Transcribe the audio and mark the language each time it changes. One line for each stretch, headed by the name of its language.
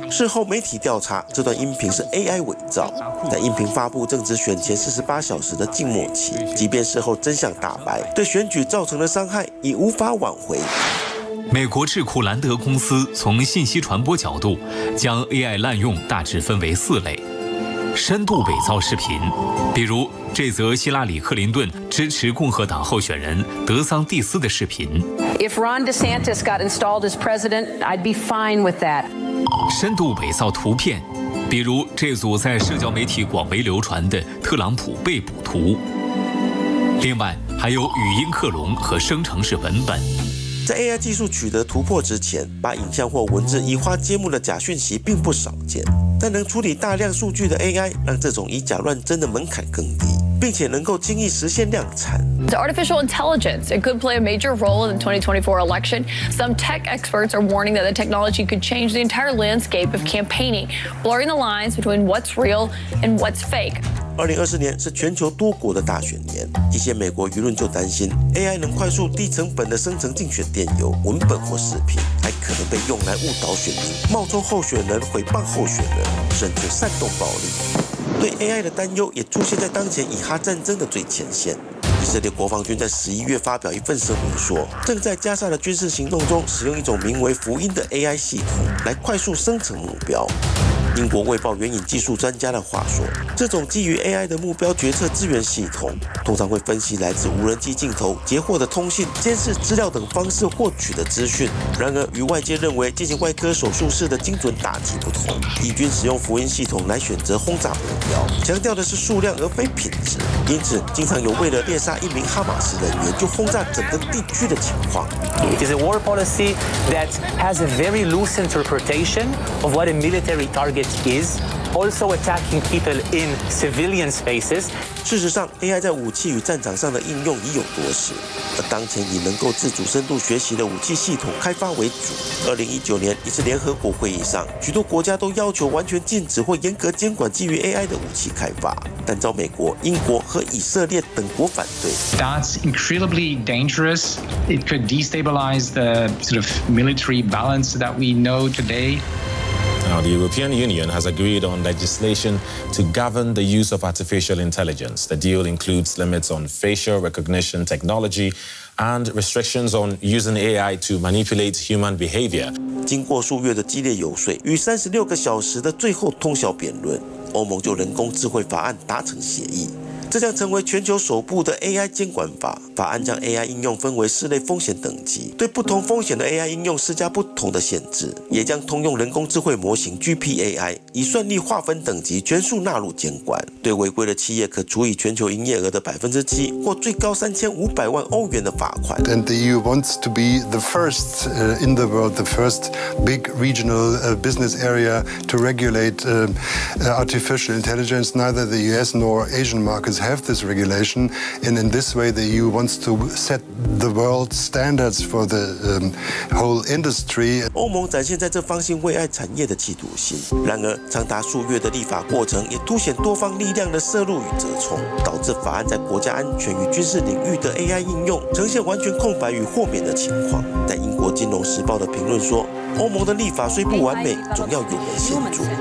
Chinese: 事后媒体调查，这段音频是 AI 伪造。但音频发布正值选前48小时的静默期，即便事后真相大白，对选举造成的伤害已无法挽回。美国智库兰德公司从信息传播角度将 AI 滥用大致分为4类：深度伪造视频，比如这则希拉里·克林顿支持共和党候选人德桑蒂斯的视频。
English: If Ron DeSantis got installed as president, I'd be fine with that.
Chinese: 深度伪造图片，比如这组在社交媒体广为流传的特朗普被捕图。另外，还有语音克隆和生成式文本。在 AI 技术取得突破之前，把影像或文字移花接木的假讯息并不少见，但能处理大量数据的 AI 让这种以假乱真的门槛更低，并且能够轻易实现量产。
English: The artificial intelligence, it could play a major role in the 2024 election. Some tech experts are warning that the technology could change the entire landscape of campaigning, blurring the lines between what's real and what's fake.
Chinese: 2024年是全球多国的大选年，一些美国舆论就担心 AI 能快速低成本的生成竞选电邮、文本或视频，还可能被用来误导选民、冒充候选人、诽谤候选人，甚至煽动暴力。对 AI 的担忧也出现在当前以哈战争的最前线。以色列国防军在11月发表一份声明说，正在加沙的军事行动中使用一种名为福音的 AI 系统来快速生成目标。英国卫报援引技术专家的话说，这种基于 AI 的目标决策支援系统通常会分析来自无人机镜头截获的通信、监视资料等方式获取的资讯。然而与外界认为进行外科手术式的精准打击不同，以军使用福音系统来选择轰炸目标，强调的是数量而非品质，因此经常有为了猎杀一名哈马斯人员就轰炸整个地区的情况。
English: It is a war policy that has a very loose interpretation of what a military target is also attacking people in civilian spaces.
Chinese: 事实上 ，AI 在武器与战场上的应用已有多时，而当前以能够自主深度学习的武器系统开发为主。 2019年一次联合国会议上，许多国家都要求完全禁止或严格监管基于 AI 的武器开发，但遭美国、英国和以色列等国反对。
English: That's incredibly dangerous. It could destabilize the sort of military balance that we know today. Now, the European Union has agreed on legislation to govern the use of artificial intelligence. The deal includes limits on facial recognition technology and restrictions on using AI to manipulate human behavior.
Chinese: 经过数月的激烈游说与36个小时的最后通宵辩论，欧盟就人工智慧法案达成协议。这将成为全球首部的 AI 监管法。法案将 AI 应用分为4类风险等级，对不同风险的 AI 应用施加不同的限制，也将通用人工智慧模型 GPAI 以算力划分等级全数纳入监管。对违规的企业，可处以全球营业额的7%或最高3500万欧元的罚款。
English: And the EU wants to be the first in the world, the first big regional business area to regulate artificial intelligence. Neither the US nor Asian markets. Have this regulation, and in this way, the EU wants to set the world standards for the whole industry.
Chinese: 欧盟展现在这方兴未艾产业的企图心。然而，长达数月的立法过程也凸显多方力量的涉入与折冲，导致法案在国家安全与军事领域的 AI 应用呈现完全空白与豁免的情况。但英国《金融时报》的评论说。欧盟的立法虽不完美，总要有人先做。